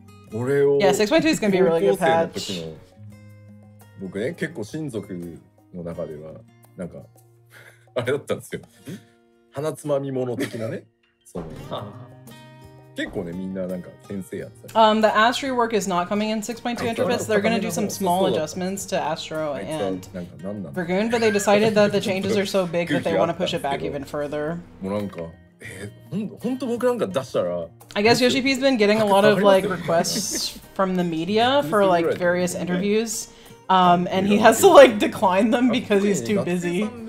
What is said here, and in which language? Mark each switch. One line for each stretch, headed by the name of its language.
English: Yeah, 6.2 is going to be a really good patch.
Japanese: 僕ね、結構親族の中ではなんかあれだったんですよ。鼻つまみもの的なね、そう。結構ね、みんななんか先生やった。
English: The Astro work is not coming in 6.2 interface. They're gonna do some small adjustments to Astro and Dragoon, but they decided that the changes are so big that they want to push it back even further.
Japanese: もうなんか、本当僕なんか出したら。
English: I guess Yoshi-P's been getting a lot of like requests from the media for like various interviews, and he has to like decline them because he's too busy.